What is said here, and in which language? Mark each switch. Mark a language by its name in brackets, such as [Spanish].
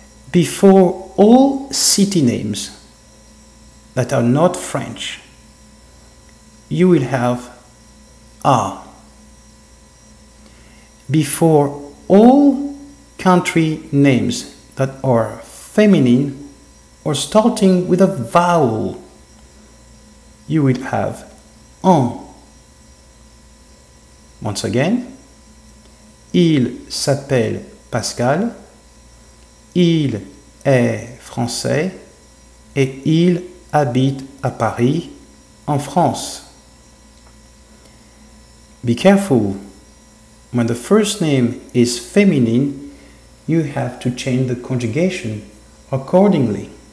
[English] Before all city names that are not French, you will have A. Before all country names that are feminine or starting with a vowel, you will have un. Once again, [French] il s'appelle Pascal, il est français et il habite à Paris, en France. [English] Be careful. When the first name is feminine, you have to change the conjugation accordingly.